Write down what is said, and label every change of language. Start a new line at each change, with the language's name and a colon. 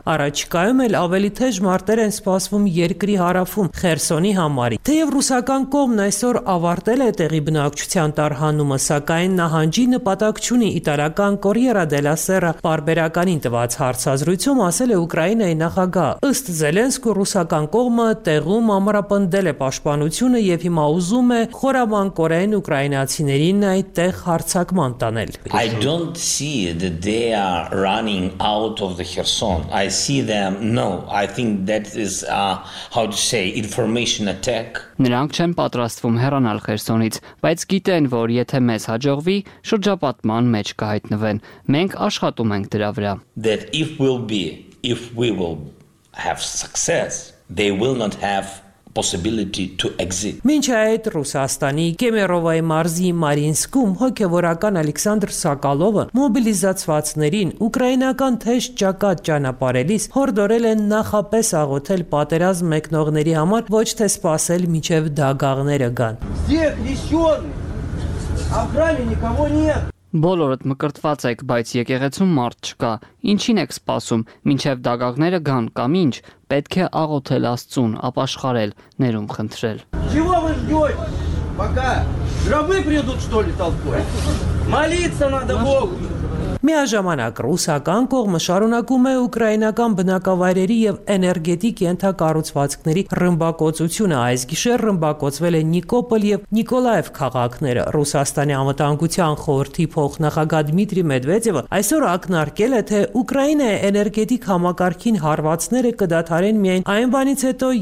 Armenian: առաջկայում էլ ավելի թեժ մարտեր են սպասվում երկրի հարավում, Խերսոնի համարի։ Թեև ռուսական կողմն այսօր ավարտել է տեղի բնակչության տարհանումը, սակայն նահանջի նպատակ չունի, իտալական Կորիերա դելա Սերա բարբերականին տված հարցազրույցում ասել է Ուկրաինայի նախագահ։ Ըստ Զելենսկու, ռուսական կողմը տեղում ամրապնդել է պաշտպանությունը և հիմա ուզում է խորամանկորեն ուկրաինացիներին այդտեղ հարձակման տանել։
English: I don't see that they are running out of the Kherson. I see them. No, I think that is how to say information attack.
Armenian: Նրանք չեն պատրաստվում հեռանալ Խերսոնից, բայց գիտեն, որ եթե մեզ հաջողվի, շրջապատման մեջ կհայտնվեն։ Մենք աշխատում ենք դրա վրա։
English: That if we will have success, they will not have possibility to exit.
Armenian: Մինչ այդ Ռուսաստանի Կեմերովայի մարզի Մարինսկում հոգևորական Ալեքսանդր Սակալովը մոբիլիզացվածներին ուկրաինական թեժ ճակատ ճանապարելիս հորդորել են նախապես աղոթել պատերազմ մեկնողների համար, ոչ թե սպասել մինչև դագաղները գան։ Բոլորդ մկրտված եք, բայց եկեղեցում մարդ չկա։ Ինչին եք սպասում, մինչև դագաղները գան կամ ինչ, պետք է աղոթել Աստծուն, ապաշխարել, ներում խնդրել։
Russian: Чего вы ждёте? Пока гробы придут, что ли, толпой? Молиться надо Богу.
Armenian: Միաժամանակ ռուսական կողմը շարունակում է ուկրաինական բնակավայրերի և էներգետիկ ենթակառուցվածքների ռմբակոծությունը։ Այս գիշեր ռմբակոծվել են Նիկոպոլ և Նիկոլաև քաղաքները։ Ռուսաստանի անվտանգության խորհրդի փոխնախագահ Դմիտրի Մեդվեդևը այսօր ակնարկել է, թե Ուկրաինայի էներգետիկ համակարգին հարվածները կդադարեն միայն այն բանից հետո,